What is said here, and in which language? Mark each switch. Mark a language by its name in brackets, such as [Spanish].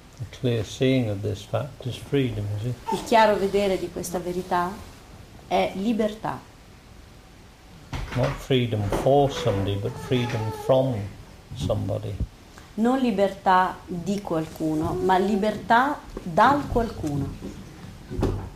[English] Clear seeing of this fact is freedom, is it? [Italian] Il chiaro vedere di questa verità è libertà. [English] Not freedom for somebody, but freedom from somebody. [Italian] Non libertà di qualcuno, ma libertà dal qualcuno.